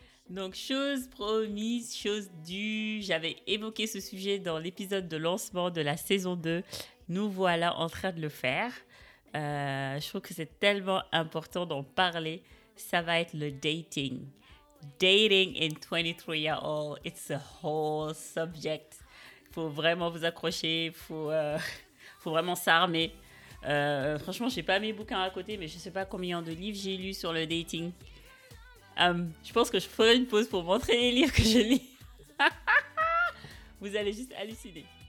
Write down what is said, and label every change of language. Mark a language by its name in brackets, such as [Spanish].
[French] Donc, chose promise, chose due, j'avais évoqué ce sujet dans l'épisode de lancement de la saison 2. Nous voilà en train de le faire. Je trouve que c'est tellement important d'en parler. Ça va être le dating. [English] Dating in 23-year-old, it's a whole subject. [French] Il faut vraiment vous accrocher, il faut vraiment s'armer. Franchement, je n'ai pas mes bouquins à côté, mais je ne sais pas combien de livres j'ai lu sur le dating. Je pense que je ferai une pause pour montrer les livres que je lis. Vous allez juste halluciner.